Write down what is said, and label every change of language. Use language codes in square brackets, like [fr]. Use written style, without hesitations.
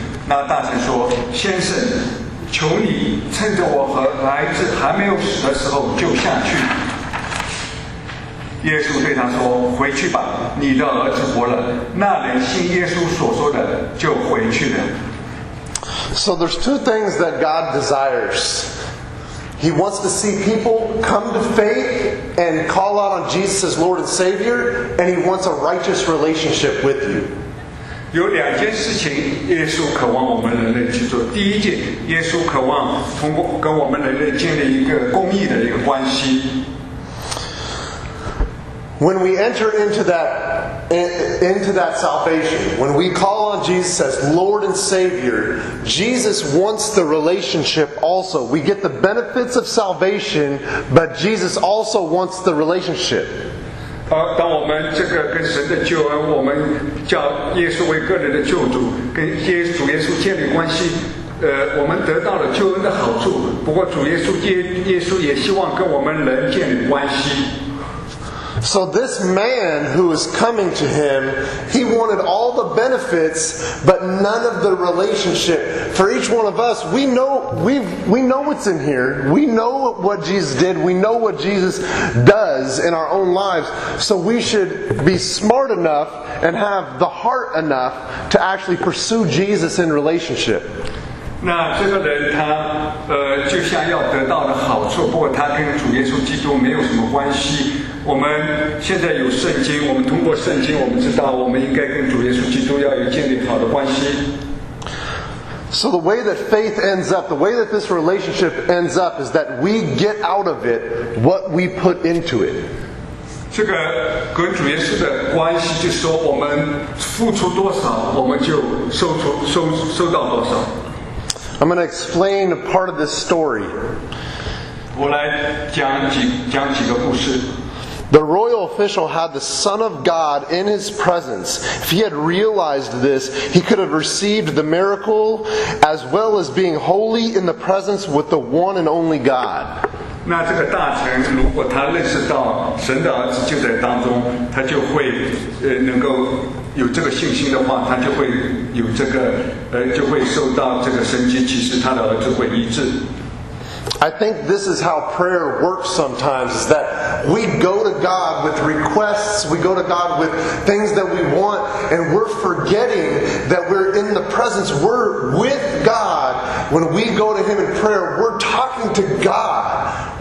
[zh] 那大臣说，先生，求你趁着我和孩子还没有死的时候就下去。耶稣对他说，回去吧，你的儿子活了。那人信耶稣所说的就回去了。 [en] So there's two things that God desires. He wants to see people come to faith and call out on Jesus as Lord and Savior, and He wants a righteous relationship with you. [zh] 有两件事情耶稣渴望我们人类去做。第一件，耶稣渴望通过跟我们人类建立一个公义的一个关系。 [en] When we enter into that salvation, when we call on Jesus as Lord and Savior, Jesus wants the relationship also. We get the benefits of salvation, but Jesus also wants the relationship. [zh] 当我们这个跟神的救恩，我们叫耶稣为个人的救主，跟耶稣主耶稣建立关系，我们得到了救恩的好处。不过主耶稣耶稣也希望跟我们人建立关系。 [en] So this man who is coming to him, he wanted all the benefits, but none of the relationship. For each one of us, we know what's in here. We know what Jesus did. We know what Jesus does in our own lives. So we should be smart enough and have the heart enough to actually pursue Jesus in relationship. [zh] 那这个人他就像要得到的好处，不过他跟主耶稣基督没有什么关系。我们现在有圣经，我们通过圣经我们知道我们应该跟主耶稣基督要有建立好的关系。 [en] So the way that faith ends up, the way that this relationship ends up is that we get out of it what we put into it. [zh] 这个跟主耶稣的关系就是说，我们付出多少我们就收到多少。 [en] I'm going to explain a part of this story. [zh] 我来讲几个故事。 [en] The royal official had the Son of God in his presence. If he had realized this, he could have received the miracle as well as being holy in the presence with the one and only God. [zh] 那这个大臣如果他认识到神的儿子就在当中，他就会能够有这个信心的话，他就会有这个就会受到这个神迹奇事，他的儿子会医治。 [en] I think this is how prayer works sometimes, is that We go to God with requests, we go to God with things that we want, and we're forgetting that we're in the presence, we're with God. When we go to Him in prayer, we're talking to God.